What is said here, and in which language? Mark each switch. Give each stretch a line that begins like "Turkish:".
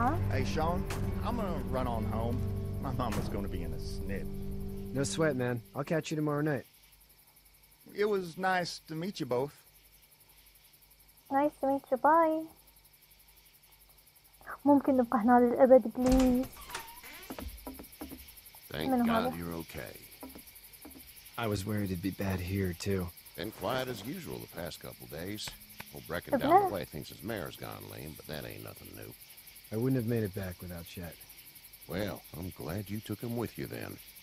English: Hey Sean, I'm gonna run on home. My mama's gonna be in a snit. No sweat, man. I'll catch you tomorrow night. It was nice to meet you both. Nice to meet you. Bye.
Arabic: ممكن نبقى هنا للأبد
English: please. Thank God you're okay. I was worried it'd be bad here too. Been quiet as usual the past couple days. Old Brecken down the way thinks his mare's gone lame, but that ain't nothing new. I wouldn't have made it back without Chet. Well, I'm glad you took him with you then.